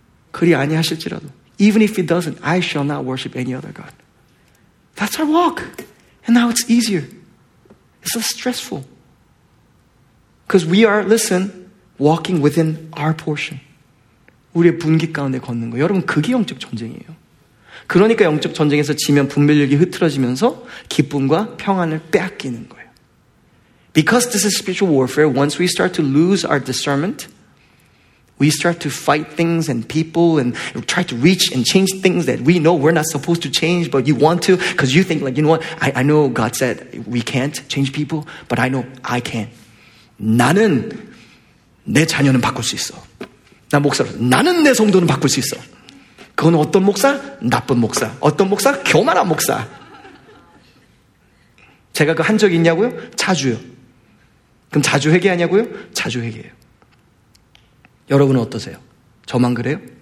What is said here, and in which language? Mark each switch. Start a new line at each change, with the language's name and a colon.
Korean: 그리 아니하실지라도
English: even if he doesn't I shall not worship any other God. That's our walk. And now it's easier. It's less stressful. Because we are, listen, walking within our portion.
Korean: 우리의 분기 가운데 걷는 거. 여러분, 그게 영적 전쟁이에요. 그러니까 영적 전쟁에서 지면 분별력이 흐트러지면서 기쁨과 평안을 빼앗기는 거예요.
English: Because this is spiritual warfare, once we start to lose our discernment, we start to fight things and people and try to reach and change things that we know we're not supposed to change, but you want to because you think like, you know what? I know God said we can't change people, but I know I can.
Korean: 나는 내 자녀는 바꿀 수 있어. 나 목사로서 나는 내 성도는 바꿀 수 있어. 그건 어떤 목사? 나쁜 목사. 어떤 목사? 교만한 목사. 제가 그 한 적 있냐고요? 자주요. 그럼 자주 회개하냐고요? 자주 회개해요. 여러분은 어떠세요? 저만 그래요?